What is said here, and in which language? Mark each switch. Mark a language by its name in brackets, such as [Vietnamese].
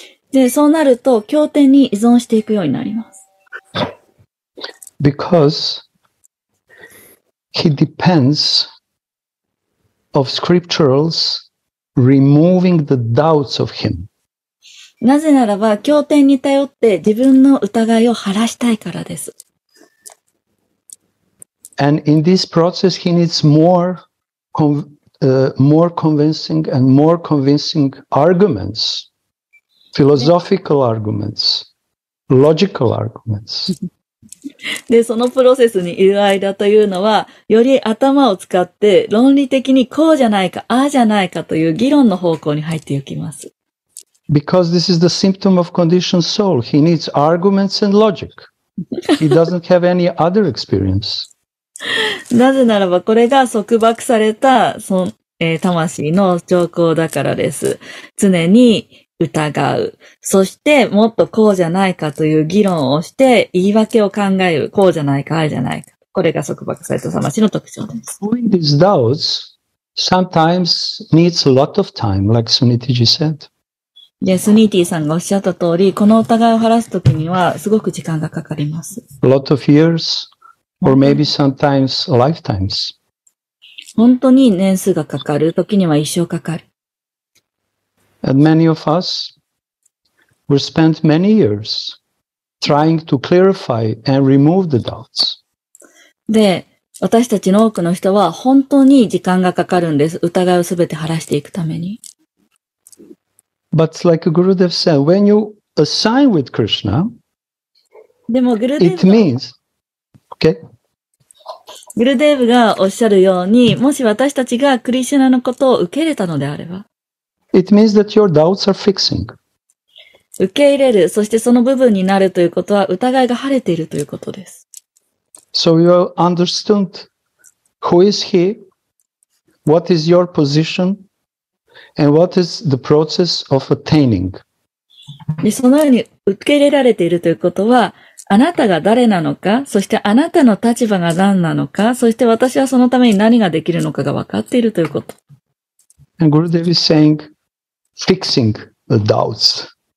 [Japanese] で、そうなると、経典に依存していくようになります。 [English] Because he depends of scripturals removing the doubts of him. [Japanese] なぜならば、経典に頼って自分の疑いを晴らしたいからです。 [English] And in this process, he needs more, more convincing and more convincing arguments, philosophical arguments, logical arguments. [Japanese] で、そのプロセスにいる間というのは、より頭を使って論理的にこうじゃないか、ああじゃないかという議論の方向に入っていきます。 [English] Because this is the symptom of conditioned soul. He needs arguments and logic. He doesn't have any other experience. [Japanese] なぜならば、これが束縛された魂の兆候だからです。常に、疑う。そして、もっとこうじゃないかという議論をして、言い訳を考える。こうじゃないか、あれじゃないか。これが束縛された魂の特徴です。 [English] Doing these doubts sometimes needs a lot of time, like Sunitiji said. [Japanese] で、スニーティーさんがおっしゃった通り、この疑いを晴らすときには、すごく時間がかかります。 [English] A lot of years, or maybe sometimes lifetimes. [Japanese] 本当に年数がかかる。時には一生かかる。 [English] And many of us were spent many years trying to clarify and remove the doubts. [Japanese] で、私たちの多くの人は本当に時間がかかるんです。疑いをすべて晴らしていくために。 [English] But like Gurudev said, when you assign with Krishna, [Japanese] でもGurudev [English] it means, okay? [Japanese] グルデーブがおっしゃるように、もし私たちがクリシュナのことを受け入れたのであれば。 [English] It means that your doubts are fixing. [Japanese] 受け入れる、そしてその部分になるということは疑いが晴れているということです。 [English] So you have understood who is he, what is your position, and what is the process of attaining. [Japanese] でそのように受け入れられているということは、あなたが誰なのか、そしてあなたの立場が何なのか、そして私はそのために何ができるのかが分かっているということ。 [English] And Gurudev is saying, fixing the doubts.